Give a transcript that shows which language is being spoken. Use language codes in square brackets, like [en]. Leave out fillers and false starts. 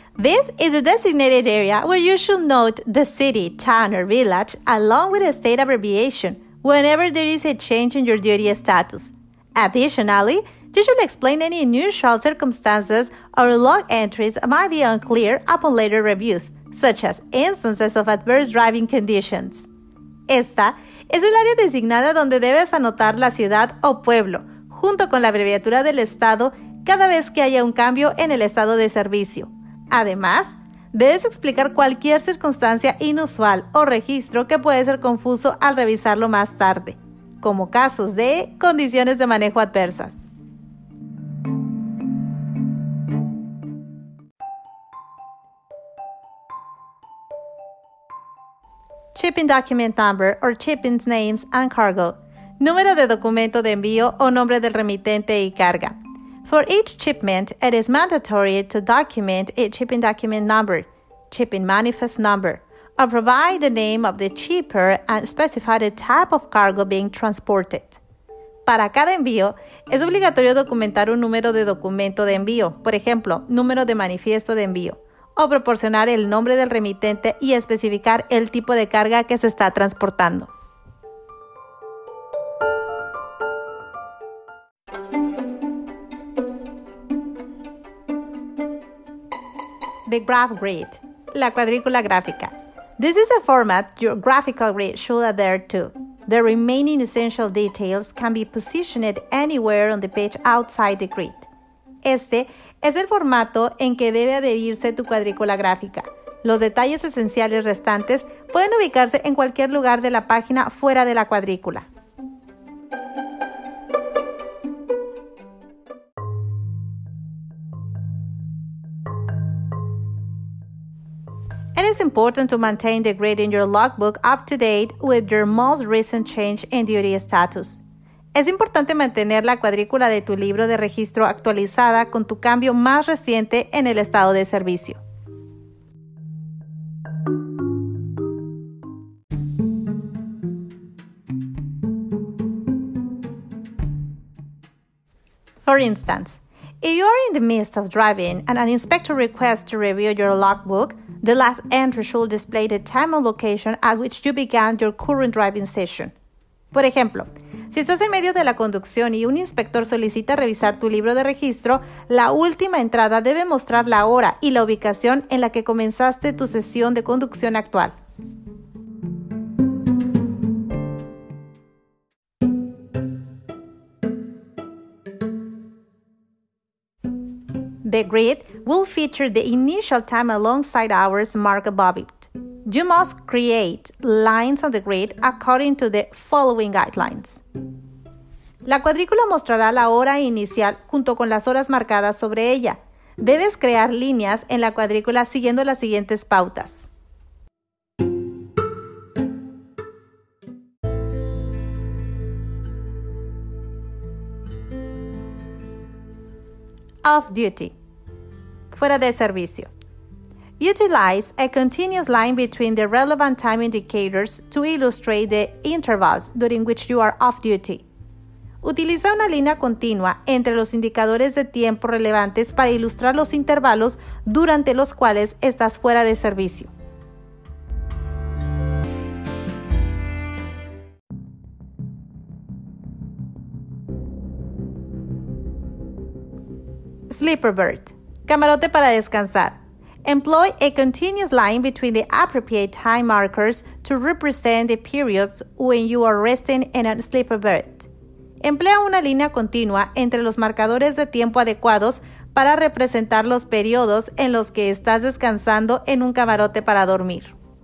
[en] This is a designated area where you should note the city, town, or village along with a state abbreviation whenever there is a change in your duty status. Additionally, you should explain any unusual circumstances or log entries that might be unclear upon later reviews, such as instances of adverse driving conditions. [es] Esta es el área designada donde debes anotar la ciudad o pueblo, junto con la abreviatura del estado cada vez que haya un cambio en el estado de servicio. Además, debes explicar cualquier circunstancia inusual o registro que puede ser confuso al revisarlo más tarde, como casos de condiciones de manejo adversas. [en] Shipping document number or shipping's names and cargo. [es] Número de documento de envío o nombre del remitente y carga. [en] For each shipment, it is mandatory to document a shipping document number, shipping manifest number, or provide the name of the shipper and specify the type of cargo being transported. [es] Para cada envío, es obligatorio documentar un número de documento de envío, por ejemplo, número de manifiesto de envío, o proporcionar el nombre del remitente y especificar el tipo de carga que se está transportando. [en] The graph grid, [es] la cuadrícula gráfica. [en] This is a format your graphical grid should adhere to. The remaining essential details can be positioned anywhere on the page outside the grid. [es] Este es el formato en que debe adherirse tu cuadrícula gráfica. Los detalles esenciales restantes pueden ubicarse en cualquier lugar de la página fuera de la cuadrícula. [en] It is important to maintain the grid in your logbook up to date with your most recent change in duty status. [es] Es importante mantener la cuadrícula de tu libro de registro actualizada con tu cambio más reciente en el estado de servicio. [en] For instance, if you are in the midst of driving and an inspector requests to review your logbook, the last entry should display the time and location at which you began your current driving session. [es] Por ejemplo, si estás en medio de la conducción y un inspector solicita revisar tu libro de registro, la última entrada debe mostrar la hora y la ubicación en la que comenzaste tu sesión de conducción actual. [en] The grid will feature the initial time alongside hours marked above it. You must create lines on the grid according to the following guidelines. [es] La cuadrícula mostrará la hora inicial junto con las horas marcadas sobre ella. Debes crear líneas en la cuadrícula siguiendo las siguientes pautas. [en] Off duty. [es] Fuera de servicio. [en] Utilize a continuous line between the relevant time indicators to illustrate the intervals during which you are off duty. [es] Utiliza una línea continua entre los indicadores de tiempo relevantes para ilustrar los intervalos durante los cuales estás fuera de servicio. [en] Sleeper berth. [es] Camarote para descansar. [en] Employ a continuous line between the appropriate time markers to represent the periods when you are resting in a sleeper berth. [es] Emplea una línea continua entre los marcadores de tiempo adecuados para representar los periodos en los que estás descansando en un camarote para dormir.